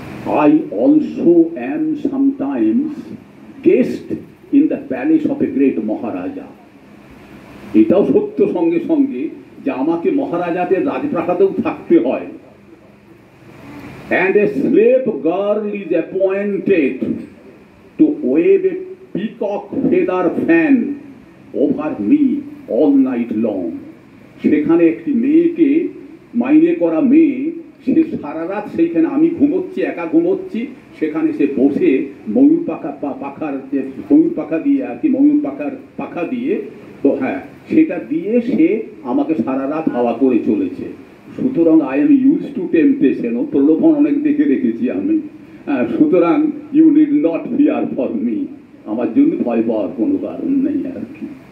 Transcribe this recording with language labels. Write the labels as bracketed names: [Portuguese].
[English] I also am sometimes guest in the palace of a great Maharaja. [Bangla] এটাও সত্য সঙ্গে সঙ্গে যে আমাকে মহারাজাদের রাজপ্রাসাদেও থাকতে হয়। [English] And a slave girl is appointed to wave a peacock feather fan over me all night long. [Bangla] সেখানে একটি মেয়েকে মাইনে করা মেয়ে সে সারা রাত সেইখানে আমি ঘুমোচ্ছি একা ঘুমোচ্ছি সেখানে সে বসে ময়ূর পাখা পাখার যে ময়ূর পাখা দিয়ে আর কি ময়ূর পাখার পাখা দিয়ে তো হ্যাঁ সেটা দিয়ে সে আমাকে সারা রাত হাওয়া করে চলেছে সুতরাং [English] I am use to temptation [Bangla] ও প্রলোভন অনেক দেখে রেখেছি আমি সুতরাং [English] you need not fear for me [Bangla] আমার জন্য ভয় পাওয়ার কোনো কারণ নেই আর কি